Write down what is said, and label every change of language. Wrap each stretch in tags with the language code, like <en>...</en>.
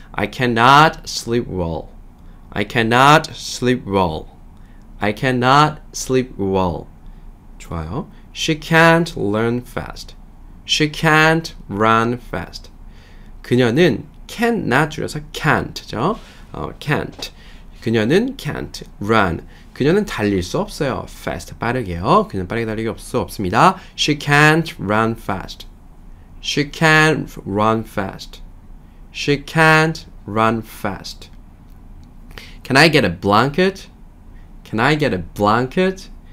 <en>I cannot sleep well. I cannot sleep well. I cannot sleep well.</en> <ko>좋아요.</ko> <en>She can't learn fast. She can't run fast.</en> <ko>그녀는 cannot 줄여서 can't죠.</ko> <en>can't.</en> <ko>그녀는</ko> <en>can't run.</en> <ko>그녀는 달릴 수 없어요. fast 빠르게요. 그녀는 빠르게 달릴 수 없습니다.</ko> <en>She can't run fast. She can't run fast. She can't run fast. Can I get a blanket? Can I get a blanket?</en>